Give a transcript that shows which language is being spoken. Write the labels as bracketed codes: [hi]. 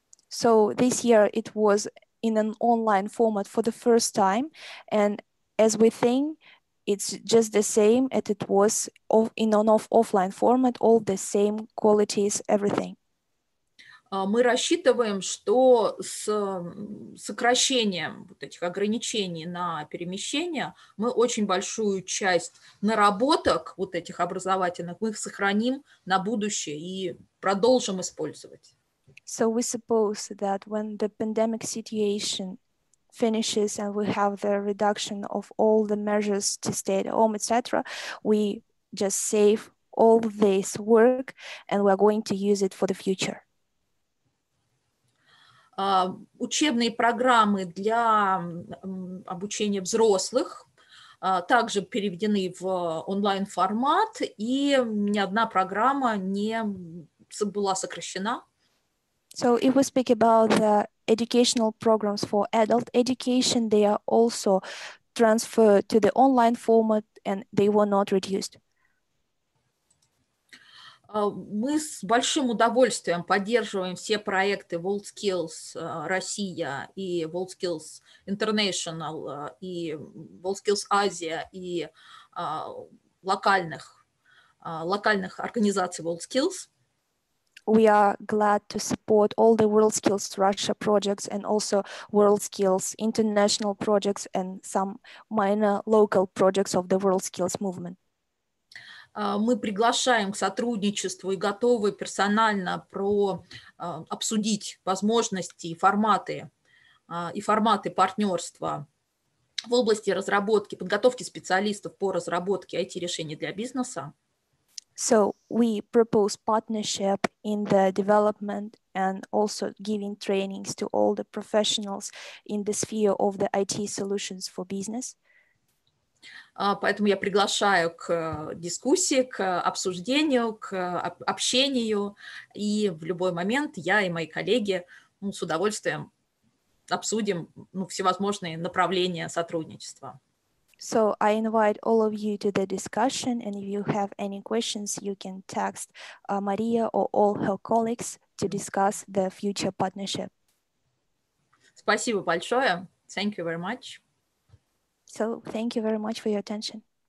[en] So this year it was in an online format for the first time, and as we think, it's just the same as it was in an offline format, all the same qualities, everything. [ru] Мы рассчитываем, что с сокращением вот этих ограничений на перемещение мы очень большую часть наработок вот этих образовательных мы их сохраним на будущее и продолжим использовать. [en] So we suppose that when the pandemic situation finishes and we have the reduction of all the measures to stay at home, etc., we just save all this work and we're going to use it for the future. [ru] Учебные программы для обучения взрослых также переведены в онлайн-формат, и ни одна программа не была сокращена. [en] So if we speak about the educational programs for adult education, they are also transferred to the online format and they were not reduced. [ru] Мы с большим удовольствием поддерживаем все проекты WorldSkills Россия и WorldSkills International и WorldSkills Азия и локальных организаций WorldSkills. [en] We are glad to support all the WorldSkills Russia projects and also WorldSkills International projects and some minor local projects of the WorldSkills movement. [ru] Мы приглашаем к сотрудничеству и готовы персонально обсудить возможности и форматы партнерства в области разработки, подготовки специалистов по разработке IT-решений для бизнеса. [en] So we propose partnership in the development and also giving trainings to all the professionals in the sphere of the IT solutions for business. [ru] Поэтому я приглашаю к дискуссии, к обсуждению, к общению. И в любой момент я и мои коллеги с удовольствием обсудим всевозможные направления сотрудничества. [en] So I invite all of you to the discussion, and if you have any questions, you can text Maria or all her colleagues to discuss the future partnership. [ru] Спасибо большое. [en] Thank you very much. So thank you very much for your attention.